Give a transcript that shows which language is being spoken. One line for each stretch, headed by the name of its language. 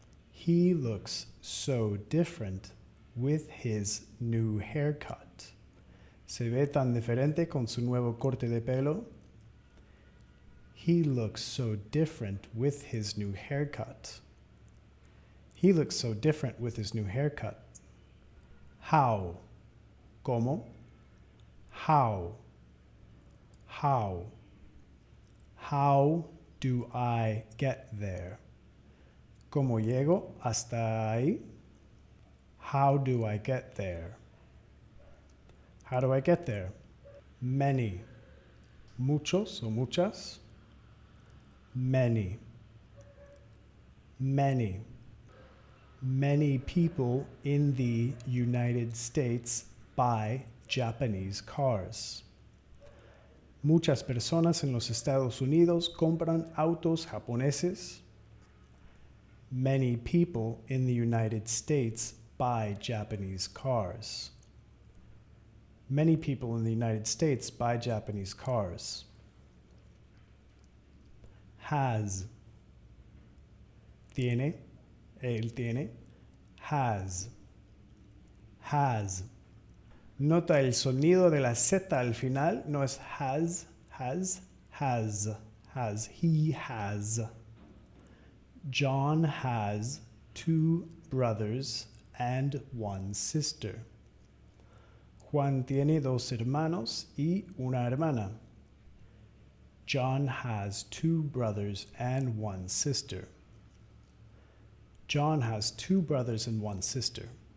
English: He looks so different with his new haircut.
Spanish: Se ve tan diferente con su nuevo corte de pelo.
English: He looks so different with his new haircut. He looks so different with his new haircut. How? ¿Cómo? How? How? How do I get there?
Spanish: ¿Cómo llego hasta ahí?
English: How do I get there? How do I get there? Many.
Spanish: Muchos o muchas. Many. Many.
English: Many people in the United States buy Japanese cars.
Spanish: Muchas personas en los Estados Unidos compran autos japoneses.
English: Many people in the United States buy Japanese cars. Many people in the United States buy Japanese cars.
Spanish: Has. Tiene. Él tiene. Has. Has. Nota el sonido de la Z al final. No es has. Has. Has. Has.
English: He has. John has two brothers and one sister.
Spanish: Juan tiene dos hermanos y una hermana.
English: John has two brothers and one sister. John has two brothers and one sister.